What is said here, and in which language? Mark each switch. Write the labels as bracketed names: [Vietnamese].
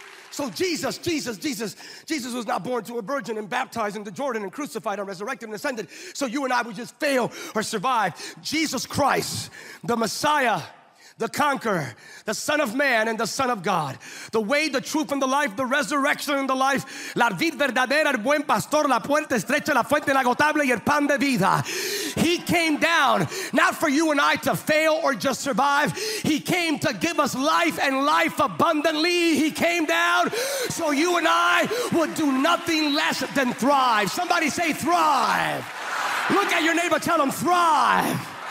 [English] So Jesus was not born to a virgin and baptized into Jordan and crucified and resurrected and ascended so you and I would just fail or survive. Jesus Christ, the Messiah, the conqueror, the Son of Man, and the Son of God. The way, the truth, and the life, the resurrection, and the life. [Spanish] La vid verdadera, el buen pastor, la puerta estrecha, la fuente inagotable, y el pan de vida. [English] He came down, not for you and I to fail or just survive. He came to give us life and life abundantly. He came down so you and I would do nothing less than thrive. Somebody say thrive. Look at your neighbor, tell him thrive.